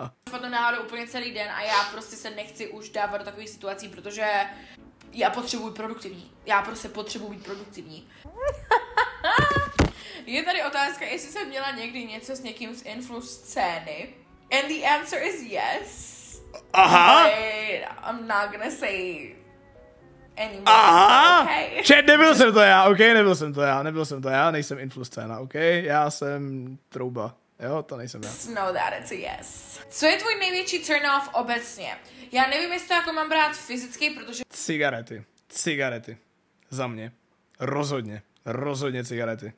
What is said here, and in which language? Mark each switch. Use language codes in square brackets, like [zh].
[cs] Potom náhodou úplně celý den a já prostě se nechci už dávat do takových situací, protože já potřebuji produktivní. Já prostě potřebuji být produktivní. Je tady otázka, jestli jsem měla někdy něco s někým z influ scény. [en] And the answer is yes. Aha! Wait, I'm not gonna say anymore. Aha! Okay? [cs] Čet, nebyl jsem to já, ok? Nebyl jsem to já, nebyl jsem to já, nejsem influscéna, ok? Já jsem trouba, jo? To nejsem já. [en] Know that, it's a yes. [cs] Co je tvůj největší turn off obecně? Já nevím, jestli to jako mám brát fyzicky, protože... Cigarety. Za mě. Rozhodně cigarety.